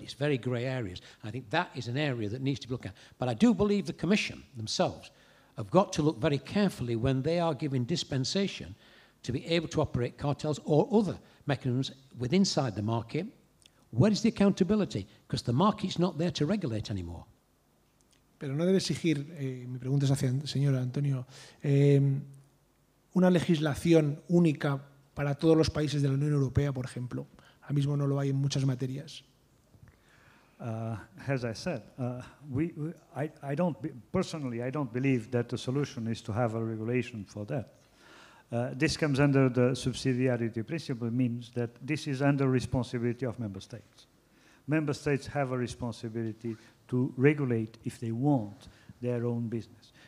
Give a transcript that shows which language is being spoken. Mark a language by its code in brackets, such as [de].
[en] It's very grey areas. And I think that is an area that needs to be looked at. But I do believe the Commission themselves have got to look very carefully when they are given dispensation to be able to operate cartels or other mechanisms with inside the market. Where is the accountability? Because the market's not there to regulate anymore. [es] Pero no debe exigir, mi pregunta es hacia señor Antonio, una legislación única para todos los países de la Unión Europea, por ejemplo. Ahora mismo no lo hay en muchas materias. [en] As I said, I don't personally, I don't believe that the solution is to have a regulation for that. This comes under the subsidiarity principle, means that this is under responsibility of member states. Member states have a responsibility to regulate, if they want, their own business.